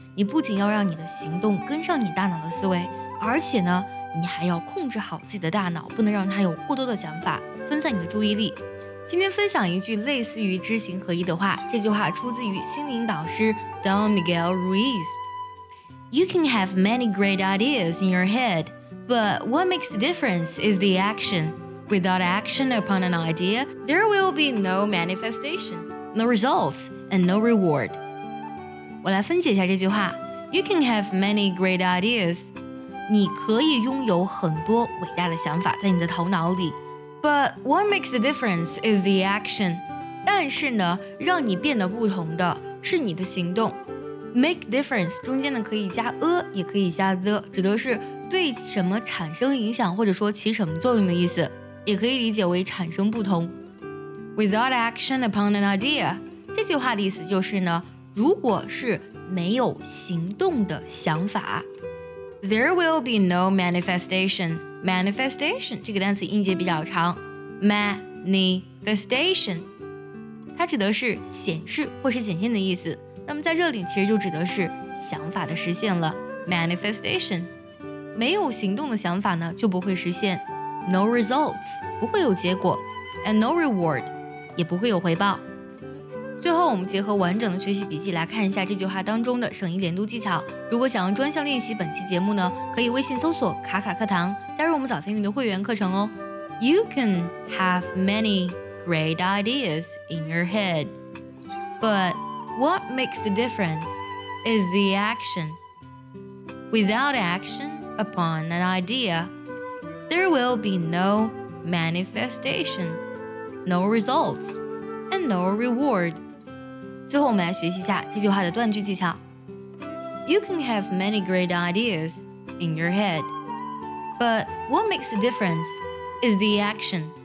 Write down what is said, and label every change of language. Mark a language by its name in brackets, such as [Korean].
[Chinese] 你不仅要让你的行动跟上你大脑的思维，而且呢，你还要控制好自己的大脑，不能让它有过多的想法，分散你的注意力。今天分享一句类似于知行合一的话，这句话出自于心灵导师 Don Miguel Ruiz。 [English] You can have many great ideas in your head, but what makes the difference is the action. Without action upon an idea, there will be no manifestation, no results, and no reward. [Chinese] 我来分解一下这句话。 [English] You can have many great ideas. [Chinese] 你可以拥有很多伟大的想法在你的头脑里。 [English] But what makes the difference is the action. [Chinese] 但是呢，让你变得不同的是你的行动。 [English] Make difference [Chinese] 中间呢可以加a，也可以加the，指的是对什么产生影响或者说起什么作用的意思。也可以理解为产生不同。 [English] Without action upon an idea， [Chinese] 这句话的意思就是呢，如果是没有行动的想法， [English] There will be no manifestation。 [Chinese] Manifestation 这个单词音节比较长， Manifestation 它指的是显示或是显现的意思，那么在这里其实就指的是想法的实现了。 Manifestation 没有行动的想法呢，就不会实现。 [English] No results， [Chinese] 不会有结果。 [English] And no reward， [Chinese] 也不会有回报。最后我们结合完整的学习笔记来看一下这句话当中的省一连读技巧。如果想要专项练习本期节目呢，可以微信搜索卡卡课堂，加入我们早餐运动会员课程哦。 [English] You can have many great ideas in your head, but what makes the difference is the action. Without action upon an ideaThere will be no manifestation, no results, and no reward. [Chinese] 最后我们来学习一下这句话的断句技巧。 [English] You can have many great ideas in your head, but what makes the difference is the action.